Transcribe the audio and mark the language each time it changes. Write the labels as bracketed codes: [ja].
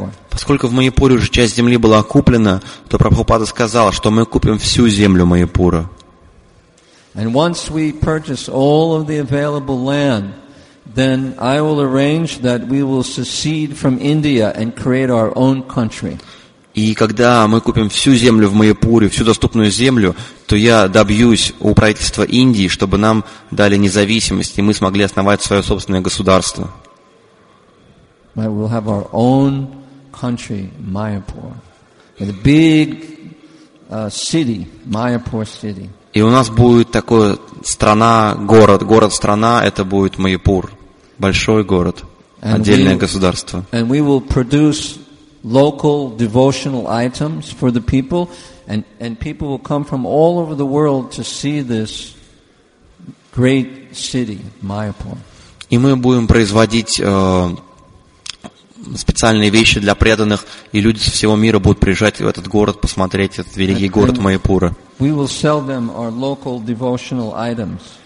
[ru] Поскольку в Майяпуре уже часть земли была куплена, то Прабхупада сказал, что мы купим всю землю Майяпура. [en] And once we purchase all of the available land, then I will arrange that we will secede from India and create our own country. [ru] И когда мы купим всю землю в Майяпуре, всю доступную землю, то я добьюсь у правительства Индии, чтобы нам дали независимость, и мы смогли основать свое собственное государство. [en] Right, we'll have our own country, Mayapur, with a big city, Mayapur city. [ru] И у нас будет такой страна, город, город-страна. Это будет Майяпур, большой город. отдельное государство. [en] And we will produce local devotional items for the people, and people will come from all over the world to see this great city, Mayapur. [ru] И мы будем производить специальные вещи для преданных, и люди со всего мира будут приезжать в этот город, посмотреть этот великий город Майпура. [en] We will sell them our local devotional items.